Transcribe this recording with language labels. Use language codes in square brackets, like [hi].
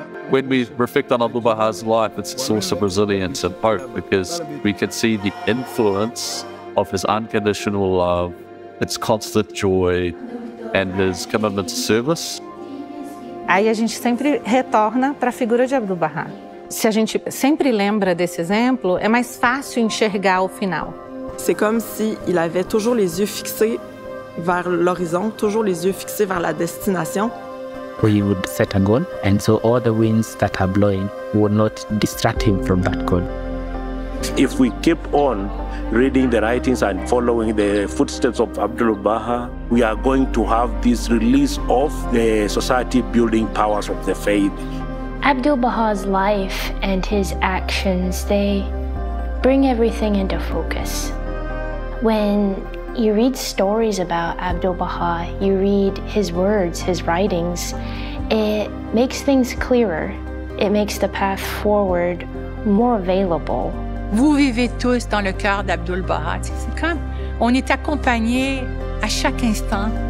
[en] When we reflect on Abdu'l-Bahá's life, it's a source of resilience and hope because we can see the influence of his unconditional love, its constant joy, and his commitment to service. [pt] Aí a gente sempre retorna para a figura de Abdu'l-Bahá. Se a gente sempre lembra desse exemplo, é mais fácil enxergar o final. [fr] C'est comme si il avait toujours les yeux fixés vers l'horizon, toujours les yeux fixés vers la destination. [en] We would set a goal, and so all the winds that are blowing would not distract him from that goal. If we keep on reading the writings and following the footsteps of Abdu'l-Bahá, we are going to have this release of the society-building powers of the faith. Abdu'l-Bahá's life and his actions, they bring everything into focus. When you read stories about Abdu'l-Bahá, you read his words, his writings, it makes things clearer. It makes the path forward more available. [fr] Vous vivez tous dans le cœur d'Abdu'l-Bahá. C'est comme on est accompagné à chaque instant.